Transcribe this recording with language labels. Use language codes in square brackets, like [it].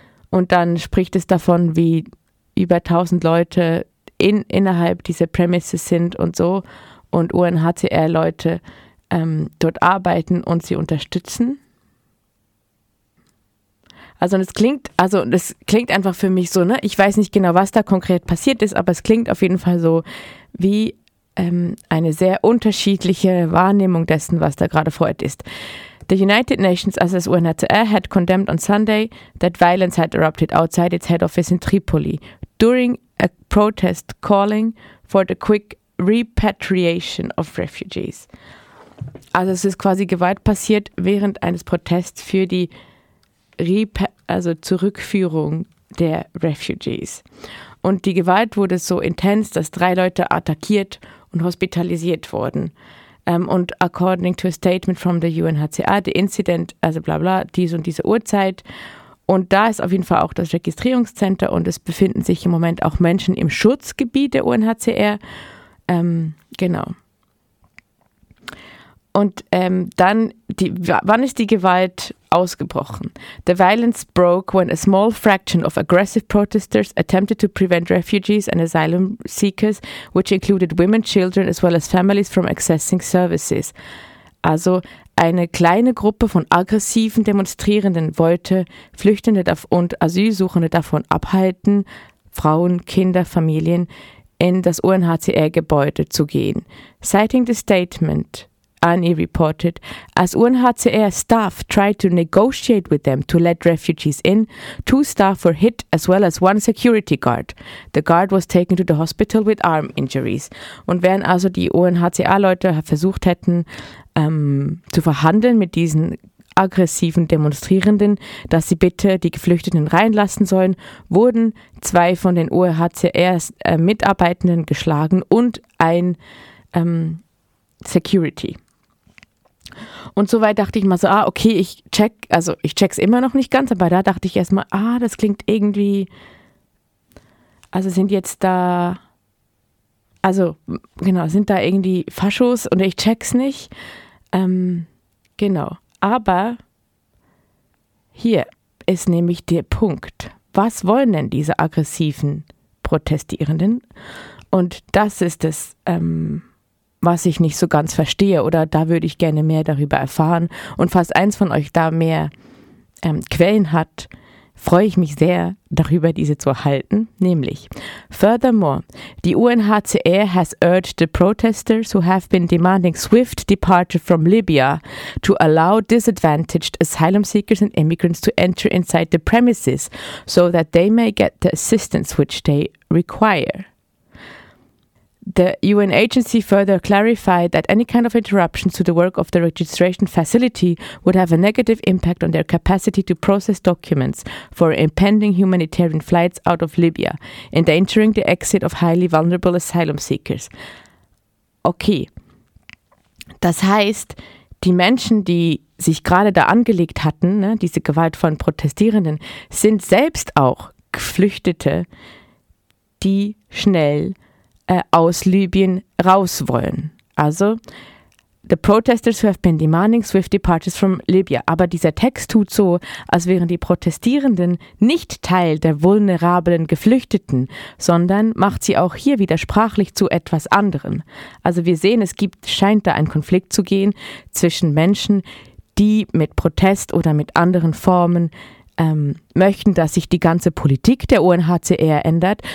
[de] Und dann spricht es davon, wie über 1000 Leute innerhalb dieser Premises sind und so, und UNHCR-Leute dort arbeiten und sie unterstützen. Also das klingt einfach für mich so, ne? Ich weiß nicht genau, was da konkret passiert ist, aber es klingt auf jeden Fall so wie eine sehr unterschiedliche Wahrnehmung dessen, was da gerade vor Ort ist. [en] The United Nations, [de] also das UNHCR, [en] had condemned on Sunday that violence had erupted outside its head office in Tripoli during a protest calling for the quick repatriation of refugees. [de] Also es ist quasi Gewalt passiert während eines Protests für die Zurückführung der Refugees. Und die Gewalt wurde so intens, dass 3 Leute attackiert und hospitalisiert wurden. [en] Und according to a statement from the UNHCR, the incident, [de] also bla bla, dies und diese Uhrzeit. Und da ist auf jeden Fall auch das Registrierungszentrum und es befinden sich im Moment auch Menschen im Schutzgebiet der UNHCR. Genau. Und dann, wann ist die Gewalt ausgebrochen? [en] The violence broke when a small fraction of aggressive protesters attempted to prevent refugees and asylum seekers, which included women, children as well as families from accessing services. [de] Also eine kleine Gruppe von aggressiven Demonstrierenden wollte Flüchtende und Asylsuchende davon abhalten, Frauen, Kinder, Familien in das UNHCR-Gebäude zu gehen. [en] Citing the statement, Ani reported, as UNHCR staff tried to negotiate with them to let refugees in, 2 staff were hit as well as 1 security guard. The guard was taken to the hospital with arm injuries. [de] Und während also die UNHCR-Leute versucht hätten, zu verhandeln mit diesen aggressiven Demonstrierenden, dass sie bitte die Geflüchteten reinlassen sollen, wurden 2 von den UNHCR-Mitarbeitenden geschlagen und ein Security. Und soweit dachte ich mal so, ich check's immer noch nicht ganz, aber da dachte ich erstmal, das klingt irgendwie, sind da irgendwie Faschos und ich check's nicht. Genau. Aber hier ist nämlich der Punkt. Was wollen denn diese aggressiven Protestierenden? Und das ist es, was ich nicht so ganz verstehe, oder da würde ich gerne mehr darüber erfahren. Und falls eins von euch da mehr Quellen hat, freue ich mich sehr, darüber diese zu erhalten. [en] Nämlich, furthermore, the UNHCR has urged the protesters who have been demanding swift departure from Libya to allow disadvantaged asylum seekers and immigrants to enter inside the premises so that they may get the assistance which they require. The UN agency further clarified that any kind of interruption to the work of the registration facility would have a negative impact on their capacity to process documents for impending humanitarian flights out of Libya, endangering the exit of highly vulnerable asylum seekers. [de] Okay, das heißt, die Menschen, die sich gerade da angelegt hatten, ne, diese Gewalt von Protestierenden, sind selbst auch Geflüchtete, die schnell aus Libyen raus wollen. [en] Also, the protesters who have been demanding swift departures from Libya. [de] Aber dieser Text tut so, als wären die Protestierenden nicht Teil der vulnerablen Geflüchteten, sondern macht sie auch hier wieder sprachlich zu etwas anderem. Also wir sehen, scheint da ein Konflikt zu gehen zwischen Menschen, die mit Protest oder mit anderen Formen möchten, dass sich die ganze Politik der UNHCR ändert.